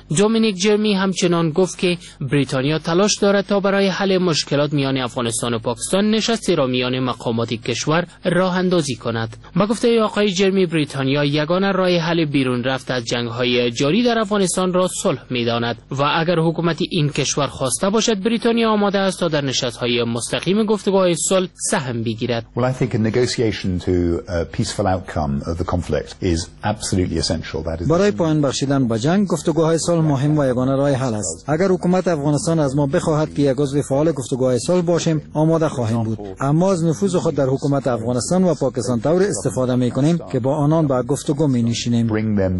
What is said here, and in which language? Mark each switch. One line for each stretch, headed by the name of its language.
Persian: دومینیک جرمی همچنان گفت که بریتانیا تلاش دارد تا برای حل مشکلات میان افغانستان و پاکستان نشستی را میان مقامات کشور راه اندازی کند. با گفته آقای جرمی، بریتانیا یگانه راه حل بیرون رفت از جنگ‌های جاری در افغانستان را صلح می‌داند و اگر حکومت این کشور خواسته باشد، بریتانیا آماده است تا در نشست‌های مستقیم گفتگوهای صلح سهم بگیرد.
English: Well, I think a negotiation to a peaceful outcome of the conflict is absolutely essential. That is
Persian: برای پایان رسیدن به جنگ گفتگوهای صلح مهم و یگانه راه حل است. اگر حکومت افغانستان از ما بخواهد که یک عضو فعال گفتگوهای صلح باشیم، آماده خواهیم بود. اما از نفوذ خود در حکومت افغانستان و پاکستان طور استفاده می‌کنیم که با آنان به گفتگو می‌نشینیم.